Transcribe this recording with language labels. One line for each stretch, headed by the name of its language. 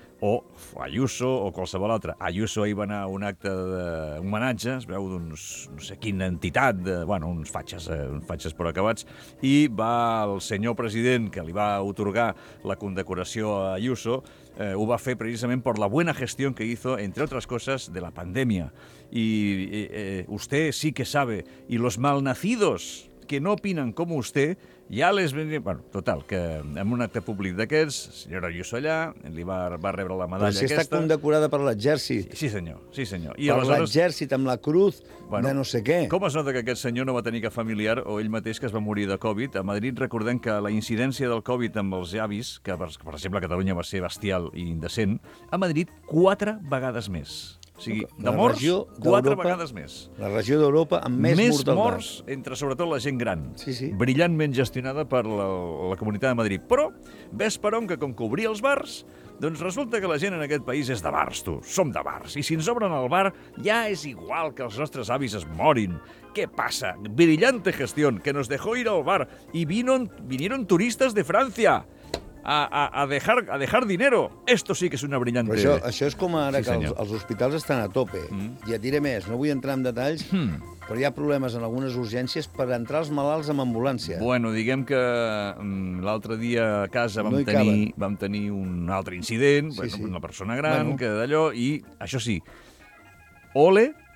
Catalan: O Ayuso, o qualsevol altre. Ayuso ahir va anar a un acte d'homenatge, es veu d'uns, no sé quina entitat, de, bueno, uns fatxes però acabats, i va el senyor president, que li va otorgar la condecoració a Ayuso, ho va fer precisament per
Spanish: la buena gestión que hizo, entre otras cosas, de la pandemia. Y usted sí que sabe, y los malnacidos que no opinan como usted,
Catalan: ja les venia... Bueno, total, que en un acte públic d'aquests, senyora Ayuso allà, li va rebre la medalla però si aquesta... Però està condecorada per l'exèrcit. Sí, senyor, sí, senyor. I per aleshores... l'exèrcit, amb la cruz bueno, de no sé què. Com es nota que aquest senyor no va tenir cap familiar o ell mateix que es va morir de Covid? A Madrid recordem que la incidència del Covid amb els avis, que per exemple a Catalunya va ser bestial i indecent, a Madrid 4 vegades més. O sigui, de morts, 4 vegades més. La regió d'Europa amb més mortalitat. Més morts entre, sobretot, la gent gran. Sí, sí. Brillantment gestionada per la Comunitat de Madrid. Però, ves per on, que com que obria els bars, doncs resulta que la gent en aquest país és de bars, tu. Som de bars. I si ens obren el bar, ja és igual que els nostres avis es morin. Què passa?
Spanish: Brillante gestión, que nos dejó ir al bar. Y vinieron turistas de Francia. A dejar dinero. Esto sí que es una brillante...
Catalan: Però això és com ara sí, que els hospitals estan a tope. Mm. I et diré més, no vull entrar en detalls, però hi ha problemes en algunes urgències per entrar els malalts amb ambulància. Bueno, diguem que l'altre dia a casa vam, no tenir, vam tenir un altre incident, sí, bueno, sí. una persona gran, bueno. que d'allò, i això sí, ole